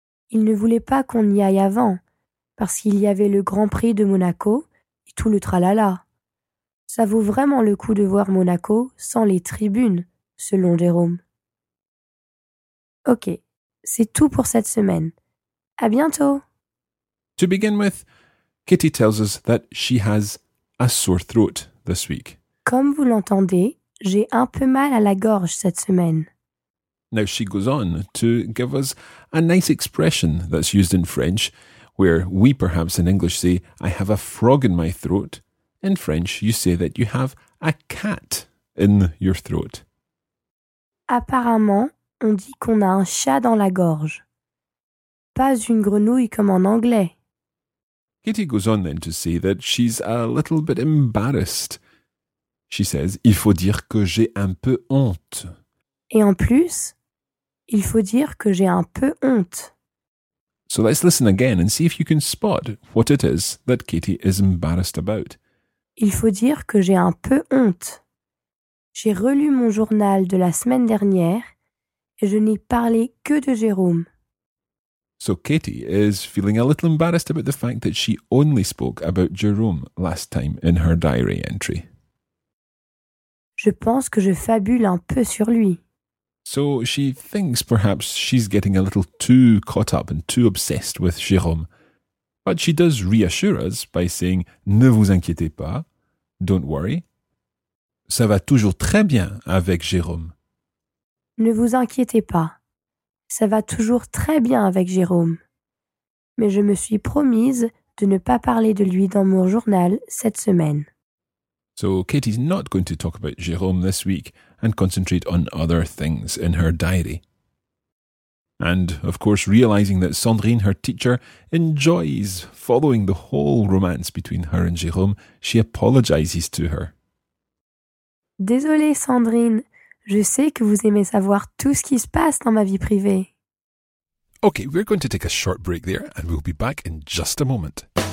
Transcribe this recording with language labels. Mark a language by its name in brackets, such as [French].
[French] Il ne voulait pas qu'on y aille avant, parce qu'il y avait le Grand Prix de Monaco et tout le tralala. Ça vaut vraiment le coup de voir Monaco sans les tribunes, selon Jérôme. Ok, c'est tout pour cette semaine. À bientôt. [English] To begin with, Kitty tells us that she has a sore throat this week. [French] Comme vous l'entendez, j'ai un peu mal à la gorge cette semaine. [English] Now she goes on to give us a nice expression that's used in French, where we perhaps in English say, I have a frog in my throat. In French, you say that you have a cat in your throat. [French] Apparemment, on dit qu'on a un chat dans la gorge. Pas une grenouille comme en anglais. [English] Kitty goes on then to say that she's a little bit embarrassed. She says, [French] il faut dire que j'ai un peu honte. Et en plus, il faut dire que j'ai un peu honte. [English] So let's listen again and see if you can spot what it is that Kitty is embarrassed about. [French] Il faut dire que j'ai un peu honte. J'ai relu mon journal de la semaine dernière et je n'ai parlé que de Jérôme. [English] So Kitty is feeling a little embarrassed about the fact that she only spoke about Jérôme last time in her diary entry. [French] Je pense que je fabule un peu sur lui. [English] So she thinks perhaps she's getting a little too caught up and too obsessed with Jérôme. But she does reassure us by saying, [French] ne vous inquiétez pas, [English] don't worry. [French] Ça va toujours très bien avec Jérôme. Ne vous inquiétez pas. Ça va toujours très bien avec Jérôme. Mais je me suis promise de ne pas parler de lui dans mon journal cette semaine. [English] So Katie's not going to talk about Jérôme this week and concentrate on other things in her diary. And, of course, realizing that Sandrine, her teacher, enjoys following the whole romance between her and Jérôme, she apologizes to her. [French] Désolée, Sandrine. Je sais que vous aimez savoir tout ce qui se passe dans ma vie privée. [English] Okay, we're going to take a short break there and we'll be back in just a moment.